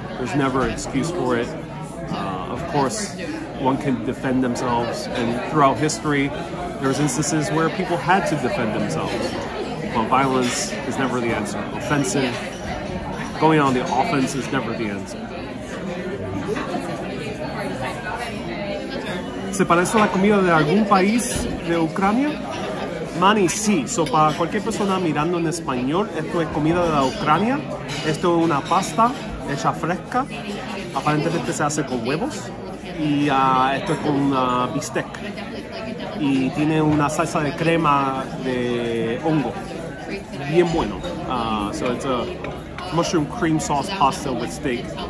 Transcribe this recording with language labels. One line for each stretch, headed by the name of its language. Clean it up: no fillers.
English: There's never an excuse for it. Of course, one can defend themselves, and throughout history, there's instances where people had to defend themselves. But violence is never the answer. Offensive, going on the offense is never the answer.
Spanish: ¿Se parece a la comida de algún país de Ucrania? Manny, sí. So, para cualquier persona mirando en español, esto es comida de la Ucrania. Esto es una pasta hecha fresca. Aparentemente se hace con huevos. Y esto es con bistec. Y tiene una salsa de crema de hongo. Bien bueno.
English: So, it's a mushroom cream sauce pasta with steak.